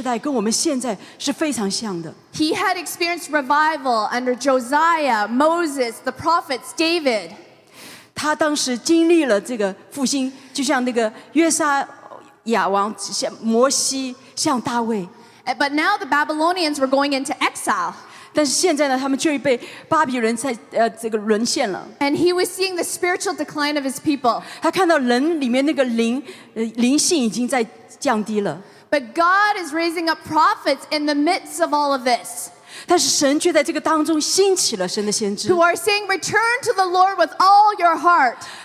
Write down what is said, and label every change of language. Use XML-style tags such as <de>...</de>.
<zh>哈巴谷他所处在的那个时代跟我们现在是非常像的。</zh> <en>He had experienced revival under Josiah, Moses, the prophets, David.</en> <zh>他当时经历了这个复兴，就像那个约沙亚王、摩西、像大卫。</zh> <en>But now the Babylonians were going into exile.</en> <zh>但是现在呢，他们却被巴比伦在这个沦陷了。</zh> <en>And he was seeing the spiritual decline of his people.</en> <zh>他看到人里面那个灵性已经在降低了。</zh> <en>But God is raising up prophets in the midst of all of this.</en> <zh>但是神却在这个当中兴起了神的先知。</zh> <en>Who are saying, return to the Lord with all your heart.</en>